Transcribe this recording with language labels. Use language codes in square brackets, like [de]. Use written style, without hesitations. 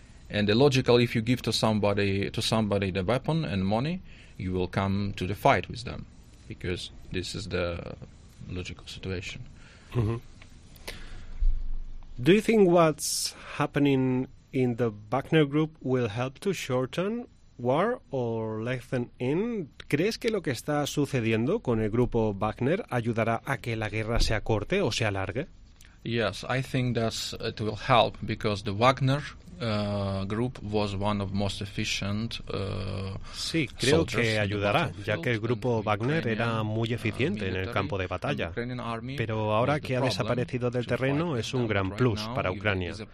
[en] And the logical, if you give to somebody the weapon and money, you will come to the fight with them, because this is the logical situation. Mm-hmm. Do you think what's happening in the Wagner Group will help to shorten war or lengthen in? [es] ¿Crees que lo que está sucediendo con el grupo Wagner ayudará a que la guerra se acorte o se alargue? [en] Yes, I think that it will help because the Wagner group was one of most efficient [es] sí, creo que ayudará, ya que el grupo Wagner era muy eficiente en el campo de batalla. Pero ahora que ha desaparecido del terreno, es un gran plus para Ucrania.